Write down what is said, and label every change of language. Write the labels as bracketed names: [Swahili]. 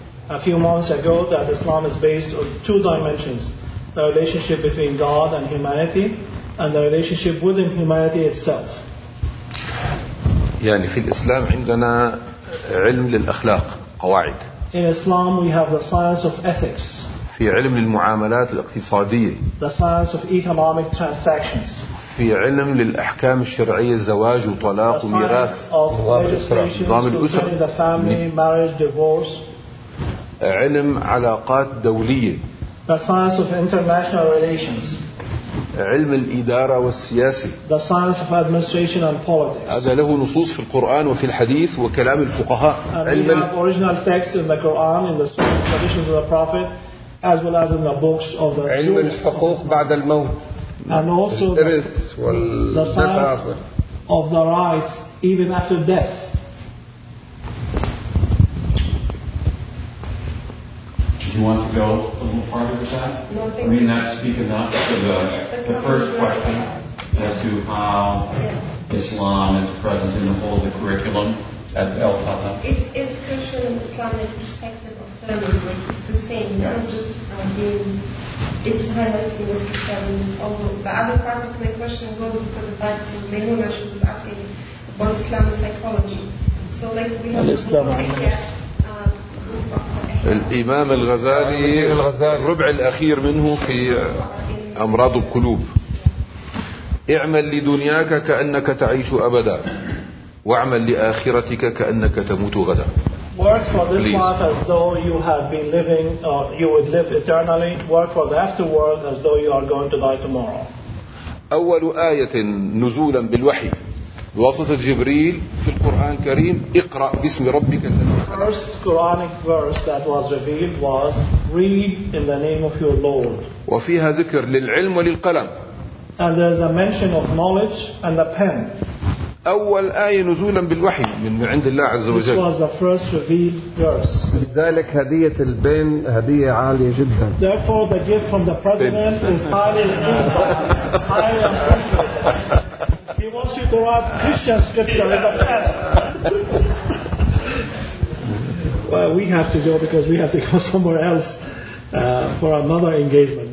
[English] A few months ago that Islam is based on two dimensions, the relationship between God and humanity and the relationship within humanity itself. [Arabic] يعني في الإسلام عندنا علم للأخلاق قواعد. [English] In Islam we have the science of ethics. [Arabic] في علم للمعاملات الاقتصادية. [English] The science of economic transactions. [Arabic] في علم للأحكام الشرعية الزواج وطلاق وميراث. نظام الأسرة. [English] The family, marriage, divorce. [Arabic] علم علاقات دولية. [English] The science of international relations. [Arabic] علم الإدارة والسياسة. [English] The science of administration and politics. [Arabic] هذا له نصوص في القرآن وفي الحديث وكلام الفقهاء. [English] علم original texts in the Quran in the traditions of the Prophet. As well as in the books of the [Arabic] علم الحقوق بعد الموت [English] and also the science of the rights even after death. Do you want to go a little farther with that? No, I mean that's speak enough to the first question as to how yeah. Islam is present in the whole of the curriculum at El Fatah. It's Christian and Islamic perspective of family. It's the same. It's not just it's highlighting what he's saying. It's also the other part of my question goes into the fact that Mehuna she was asking about Islamic psychology. So like we have [Arabic] الإمام الغزالي الربع الأخير منه في أمراض القلوب اعمل لدنياك كأنك تعيش أبدا واعمل لآخرتك كأنك تموت غدا [English] work for this Please. Life as though you have been living you would live eternally work for the afterworld as though you are going to die tomorrow. [Arabic] أول آية نزولا بالوحي بواسطة جبريل في القرآن الكريم اقرأ باسم ربك الذي خلق. [English] First Quranic verse that was revealed was read in the name of your Lord. [Arabic] وفيها ذكر للعلم وللقلم. [English] And there is a mention of knowledge and the pen. [Arabic] أول آية نزولا بالوحي من عند الله عز وجل. [English] This was the first revealed verse. [Arabic] لذلك هدية البن هدية عالية جدا. [English] Therefore the gift from the president is highly esteemed, highly appreciated. He wants you to write Christian scripture in the pen. Well, we have to go because we have to go somewhere else for another engagement.